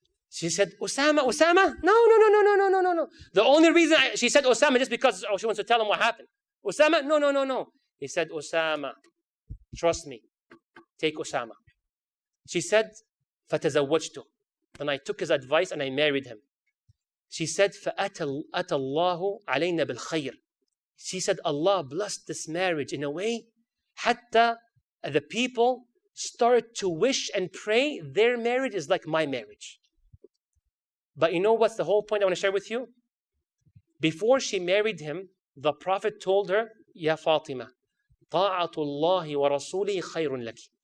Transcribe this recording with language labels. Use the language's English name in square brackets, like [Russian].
[English] She said, Osama? No. The only reason she said Osama just because she wants to tell him what happened. Osama? No. He said, Osama, trust me. Take Osama. She said, [Arabic] فَتَزَوَّجْتُ. [English] And I took his advice and I married him. She said, [Arabic] فَأَتَى اللَّهُ عَلَيْنَا بِالْخَيْرِ. [English] She said, Allah blessed this marriage in a way [Arabic] حَتَّى [English] the people started to wish and pray their marriage is like my marriage. But you know what's the whole point I want to share with you? Before she married him, the Prophet told her, Ya Fatima, [Arabic] طَاعَةُ اللَّهِ وَرَسُولِهِ خَيْرٌ لَكِ.